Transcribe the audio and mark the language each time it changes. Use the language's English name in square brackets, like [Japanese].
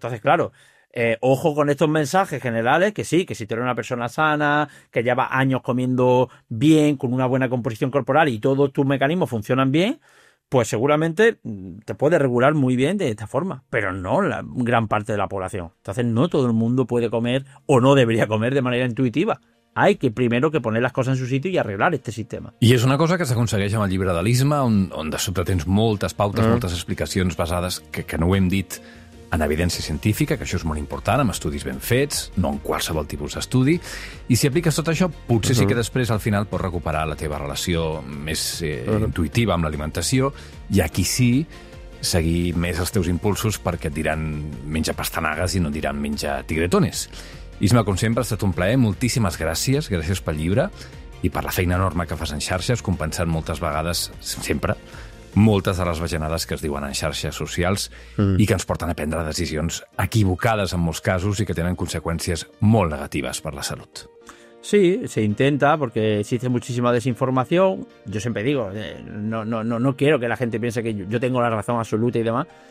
[Spanish] Entonces, claro, ojo con estos mensajes generales, que sí, que si tú eres una persona sana, que llevas años comiendo bien, con una buena composición corporal y todos tus mecanismos funcionan bien, pues seguramente te puede regular muy bien de esta forma, pero no la gran parte de la población. Entonces, no todo el mundo puede comer o no debería comer de manera intuitiva. Hay que primero que poner las cosas en su sitio y arreglar este sistema. [Catalan] I és una cosa que s'aconsegueix amb el llibre d'Alisma, on de sobte tens moltes pautes, moltes explicacions basades, que no ho hem dit, en evidència científica, que això és molt important, amb estudis ben fets, no en qualsevol tipus d'estudi. I si apliques tot això, potser sí que després, al final, pots recuperar la teva relació més intuïtiva amb l'alimentació, i aquí sí, seguir més els teus impulsos, perquè et diran menja pastanagues i no et diran menja tigretones. Isma, com sempre, ha estat un plaer. Moltíssimes gràcies. Gràcies pel llibre i per la feina enorme que fas en xarxes, compensant moltes vegades, sempre, moltes de les bajanades que es diuen en xarxes socials i que ens porten a prendre decisions equivocades en molts casos i que tenen conseqüències molt negatives per la salut. [Spanish] Sí, se intenta, porque existe muchísima desinformación. Yo siempre digo, no quiero que la gente piense que yo tengo la razón absoluta y demás.